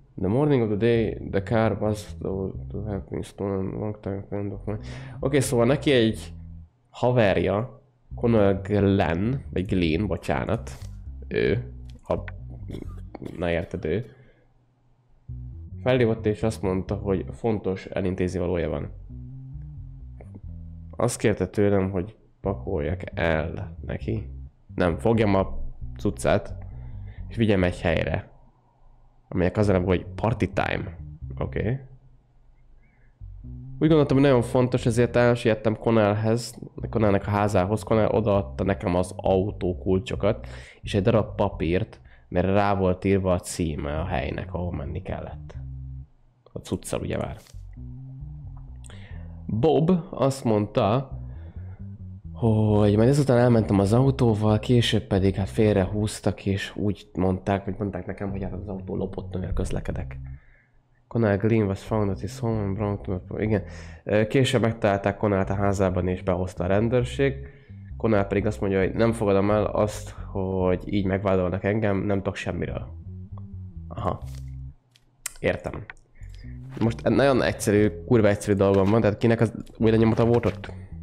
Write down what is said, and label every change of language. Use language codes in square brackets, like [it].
[en] The morning of the day, the car was to have been stolen long time friend of mine. [hu] Oké, szóval neki egy haverja, Conor Glenn, vagy Glenn, bocsánat, ő. Na érted ő. Felhívott és azt mondta, hogy fontos elintézi valója van. Azt kérte tőlem, hogy pakoljak el neki. Nem, fogjam a cuccát, és vigyem egy helyre. Aminek az lenne, hogy [en] party time. [hu] Oké. Okay. Úgy gondoltam, hogy nagyon fontos, ezért elsiettem Connellhez, Connellnek a házához. Connell odaadta nekem az autó kulcsokat, és egy darab papírt, mert rá volt írva a címe a helynek, ahol menni kellett. A cuccal ugye már. Bob azt mondta, hogy majd ezután elmentem az autóval, később pedig hát félrehúztak, és úgy mondták, vagy mondták nekem, hogy hát az autó lopott, amivel közlekedek. [en] Conor Glenn was found at his home in Brownton. [hu] Igen. Később megtalálták Conort a házában, és behozta a rendőrség. Conor pedig azt mondja, hogy nem fogadom el azt, hogy így megvádolnak engem, nem tudok semmiről. Aha. Értem. Most nagyon egyszerű, kurva egyszerű dolgom van, tehát kinek az újra nyomata volt ott?